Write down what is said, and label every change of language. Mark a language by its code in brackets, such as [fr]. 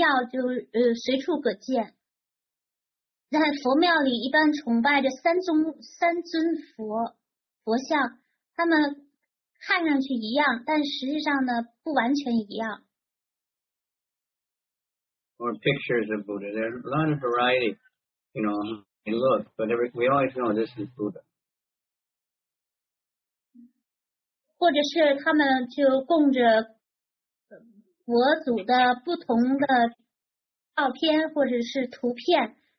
[zh] 在中国呢,佛庙就随处可见。在佛庙里一般崇拜着三尊佛像，他们看上去一样，但实际上呢，不完全一样。 [en] Or pictures of Buddha. There's a lot of variety, you know, in look, but we always know this is Buddha. [zh] 或者是他们就供着佛祖的不同的照片，或者是图片。